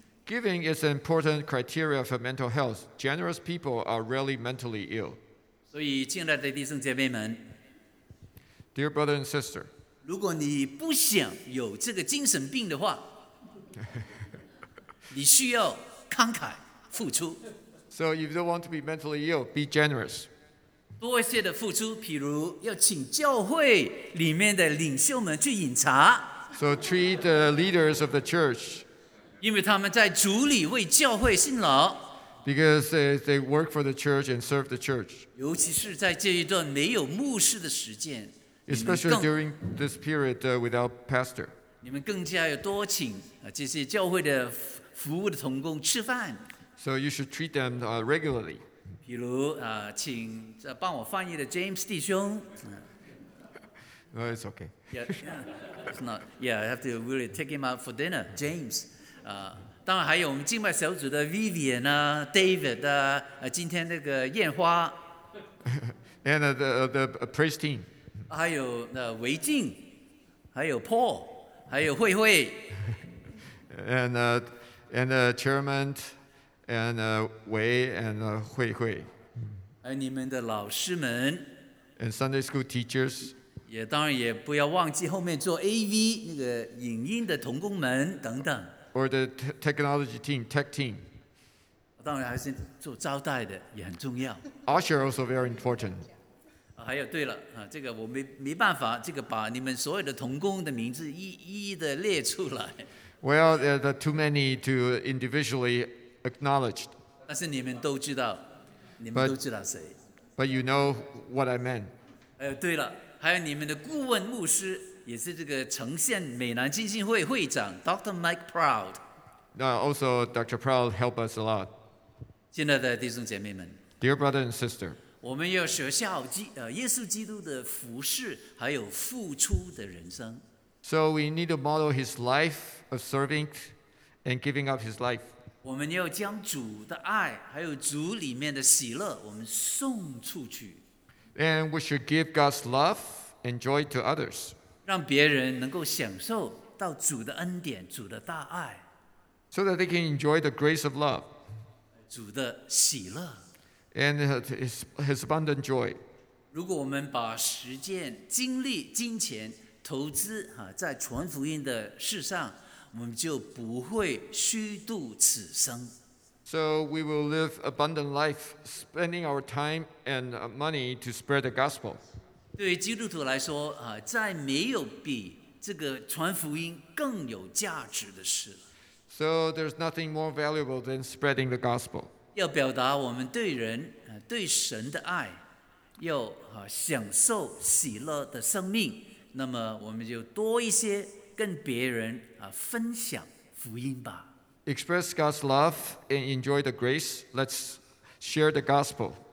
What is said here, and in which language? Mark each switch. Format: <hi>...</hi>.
<en>Giving is an important criteria for mental health. Generous people are rarely mentally ill.</en> <zh>所以亲爱的弟兄姐妹们</zh> <en>Dear brother and sister</en> <zh>如果你不想有这个精神病的话你需要慷慨付出</zh> <en>So if you don't want to be mentally ill, be generous</en> <zh>多一些的付出比如要请教会里面的领袖们去饮茶</zh> <en>So treat the leaders of the church</en> <zh>因为他们在主里为教会辛劳</zh> <en>Because they work for the church and serve the church. Especially during this period without pastor. So you should treat them regularly. No, it's okay. I have to really take him out for dinner, James.</en> <zh>当然还有我们敬拜小组的 Vivian 啊 ，David 啊，今天那个燕花</zh> <en>，and the praise team，</en> <zh>还有维静，还有 Paul， 还有慧慧</zh> <en>，and and the chairman and 维 and 慧慧，</en> <zh>还有你们的老师们</zh> <en>，and Sunday school teachers，</en> <zh>也当然也不要忘记后面做 AV 那个影音的童工们等等。</zh> <en>Or the technology team, tech team.</en> <zh>当然还是做招待的也很重要。</zh> <en>Usher also very important.</en> <zh>还有对了，这个我没办法，这个把你们所有的同工的名字一的列出来。</zh> <en>Well, there are too many to individually acknowledge.</en> <zh>但是你们都知道，你们都知道谁。</zh> <en>But you know what I mean.</en> <zh>对了，还有你们的顾问牧师。也是这个呈现美南基金会会长 Dr.</zh> <en>Mike Proud. Also, Dr. Proud helped us a lot.</en> <zh>亲爱的弟兄姐妹们</zh> <en>Dear brother and sister,</en> <zh>我们要学校耶稣基督的服事还有付出的人生。</zh> <en>So we need to model his life of serving and giving up his life.</en> <zh>我们要将主的爱还有主里面的喜乐我们送出去。</zh> <en>And we should give God's love and joy to others.</en> <zh>让别人能够享受到主的恩典主的大爱</zh> <en>so that they can enjoy the grace of love</en> <zh>主的喜乐</zh> <en>and his abundant joy</en> <zh>如果我们把时间精力金钱投资在传福音的事上我们就不会虚度此生</zh> <en>so we will live abundant life spending our time and money to spread the gospel</en> <zh>对基督徒来说再没有比这个传福音更有价值的事了。</zh> <en>So there's nothing more valuable than spreading the gospel.</en> <zh>要表达我们对人、对神的爱，要、享受喜乐的生命，那么我们就多一些跟别人、分享福音吧。</zh> <en>Express God's love and enjoy the grace. Let's share the gospel.</en>